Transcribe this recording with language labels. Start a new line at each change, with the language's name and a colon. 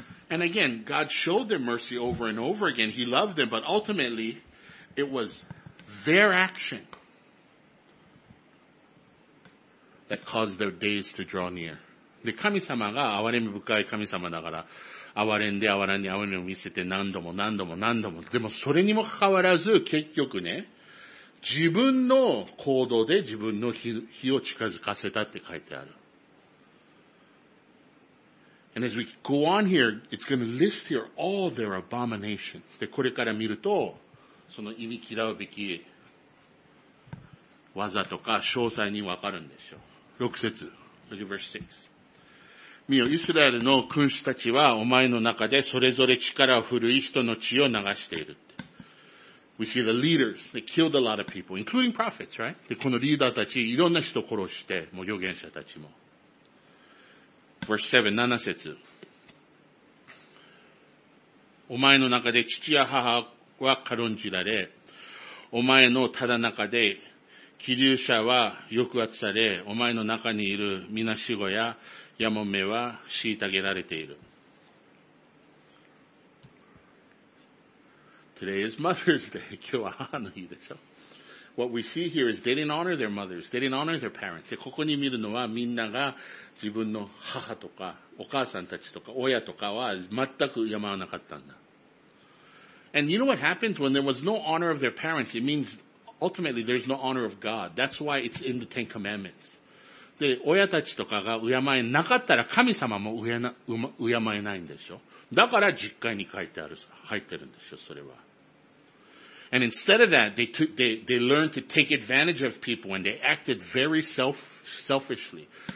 English: And again, God showed them mercy over and over again. He loved them, but ultimately, it was their action that caused their days to draw near.
Japanese: で、神様が憐れみ深い神様だから、憐れんで憐れんに憐れみを見せて何度も何度も何度も。でもそれにもかかわらず、結局ね、自分の行動で自分の日を近づかせたって書いてある。
English: And as we go on here, it's going to list here all their abominations.
Japanese: で、これから見ると、その意味嫌うべき技とか詳細にわかるんでしょう。 6節。
English: Look at verse 6.
Japanese: 見よ、イスラエルの君主たちはお前の中でそれぞれ力を振るい人の血を流している。
English: We see the leaders, they killed a lot of people, including prophets, right?
Japanese: で、このリーダーたち、いろんな人を殺して、もう預言者たちも。
English: Verse 7,
Japanese: 7節。お前の中で父や母は軽んじられ、お前のただ中で気流者は抑圧され、お前の中にいるみなしごやヤモメは虐げられている。
English: Today is Mother's Day.
Japanese: 今日は母の日でしょ。
English: What we see here is they didn't honor their mothers. They didn't honor their parents.
Japanese: ここに見るのはみんなが自分の母とかお母さんたちとか親とかは全く敬わなかったんだ。
English: And you know what happens when there was no honor of their parents? It means ultimately there's no honor of God. That's why it's in the Ten Commandments.
Japanese: で、親たちとかが敬えなかったら神様も敬えないんでしょ。だから実戒に書いてある、入ってるんでしょ、それは。
English: And instead of that, they learned to take advantage of people and they acted very selfishly.